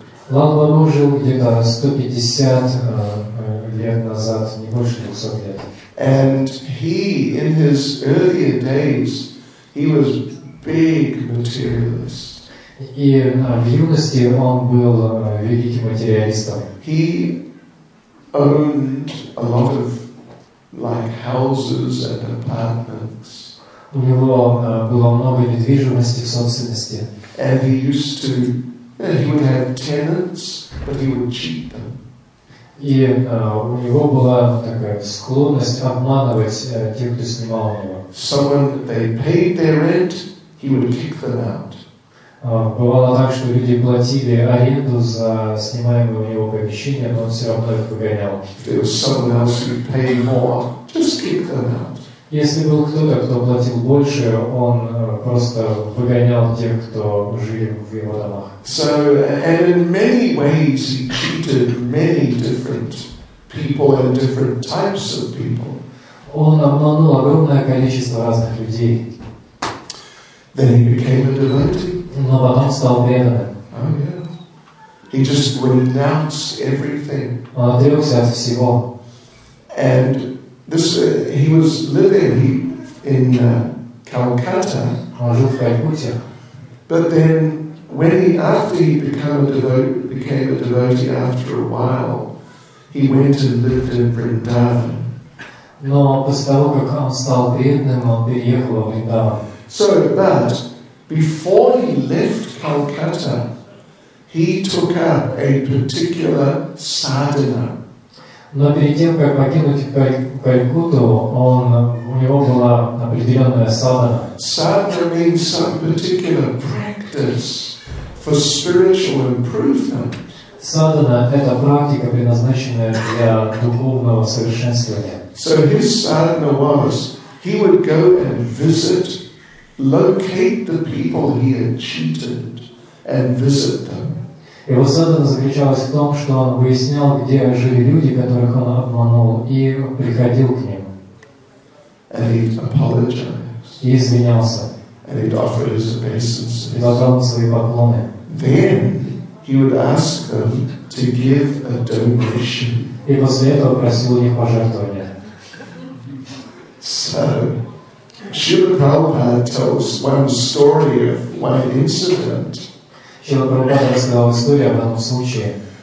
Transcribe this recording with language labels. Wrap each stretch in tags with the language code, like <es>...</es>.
<ru>Лал Бабу жил где-то 150 лет назад, не больше 200 лет.</ru> <en>And he, in his earlier days, he was big materialist.</en> <ru>И в юности он был великим материалистом.</ru> <en>He owned a lot of like houses and apartments.</en> <ru>У него было много недвижимости в собственности.</ru> <en>And he used to, he would have tenants, but he would cheat them.</en> <ru>И у него была такая склонность обманывать тех, кто снимал у него.</ru> <en>Someone, they paid their rent, He would kick them out.</en> <ru>Бывало так, что люди платили аренду за снимаемое у него помещение, но он все равно их выгонял.</ru> <en>There was someone else who paid more. Just kick them out.</en> <ru>Если был кто-то, кто платил больше, он просто выгонял тех, кто жили в его домах.</ru> <en>So, and in many ways he treated many different people and different types of people.</en> <ru>Он обманул огромное количество разных людей.</ru> <en>Then he became a devotee.</en> <ru>Но потом стал преданным.</ru> <en>Oh, yeah. He just renounced everything.</en> <ru>Он отрекся от всего.</ru> <en>And this, he was living in Calcutta.</en> <ru>Он жил в Калькутте.</ru> <en>But then, when he, after he became a devotee after a while, he went and lived in Vrindavan.</en> <ru>Но после того, как он стал преданным, он переехал в Вриндаван.</ru> <en>So, but before he left Calcutta, he took up a particular sadhana.</en> <ru>Но перед тем, как покинуть Калькутту, он, у него была определенная садхана.</ru> <en>Садхана means some particular practice for spiritual improvement.</en> <ru>Садхана – это практика, предназначенная для духовного совершенствования.</ru> <en>So his садхана was, he would go and visit, locate the people he had cheated, and visit them.</en> <ru>Его садхана заключалась в том, что он выяснял, где жили люди, которых он обманул, и приходил к ним.</ru> <en>And he apologized.</en> <ru>И извинялся.</ru> <en>And he'd offer his obeisances.</en> <ru>И возвал свои поклоны.</ru> <en>Then he would ask them to give a donation.</en> <ru>И после этого просил у них пожертвования.</ru> <en>So, Srila Prabhupada tells one story of one incident.</en> <ru>Шрила Прабхупада рассказал историю об этом случае.</ru>